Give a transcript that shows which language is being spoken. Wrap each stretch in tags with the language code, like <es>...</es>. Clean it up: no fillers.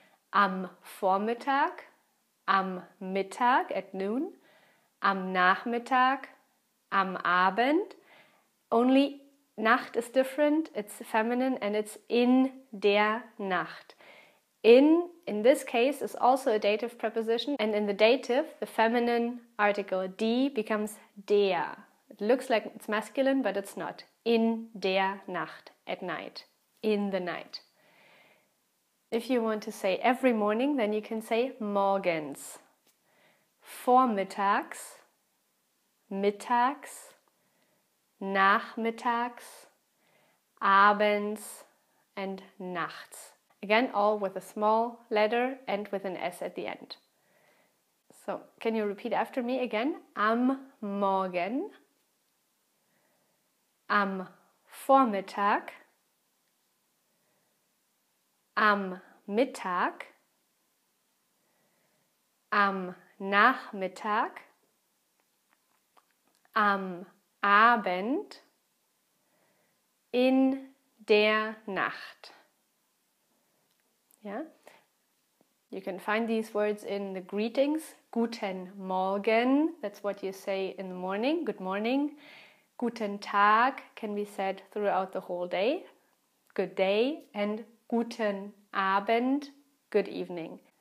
<de>Am Vormittag, am Mittag,</de> <en>at noon,</en> <de>am Nachmittag, am Abend.</de> <en>Only Nacht is different, it's feminine, and it's</en> <de>in der Nacht.</de> <en>In this case, is also a dative preposition, and in the dative, the feminine article die becomes der. It looks like it's masculine, but it's not.</en> <de>In der Nacht,</de> <en>at night, in the night. If you want to say every morning, then you can say morgens, vormittags, mittags, nachmittags, abends, and nachts. Again, all with a small letter and with an S at the end. So, can you repeat after me again?</en> <de>Am Morgen, am Vormittag, am Mittag, am Nachmittag, am Abend, in der Nacht.</de> <en>Yeah. You can find these words in the greetings</en> <de>Guten Morgen,</de> <en>that's what you say in the morning, good morning.</en> <de>Guten Tag</de> <en>can be said throughout the whole day, good day. And</en> <de>Guten Abend,</de> <en>good evening.</en>